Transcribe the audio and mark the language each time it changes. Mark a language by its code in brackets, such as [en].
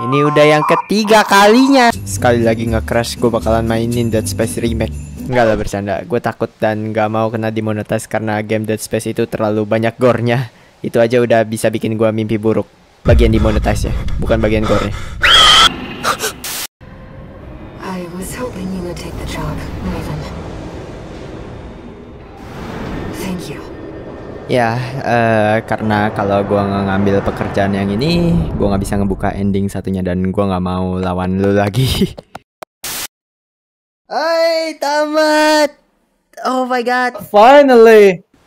[id] Ini udah yang ketiga kalinya. Sekali lagi nge-crash, gue bakalan mainin Dead Space Remake. Enggak lah, bercanda. Gue takut dan gak mau kena demonetas karena game Dead Space itu terlalu banyak gore-nya. Itu aja udah bisa bikin gue mimpi buruk. Bagian demonetasnya, bukan bagian gore-nya. [en] I was hoping you would take the job, Raven. Thank you. [id] Ya, karena kalau gue nggak ngambil pekerjaan yang ini, gue nggak bisa ngebuka ending satunya dan gue nggak mau lawan lu lagi. [en] Hey, tamat! Oh my god! Finally!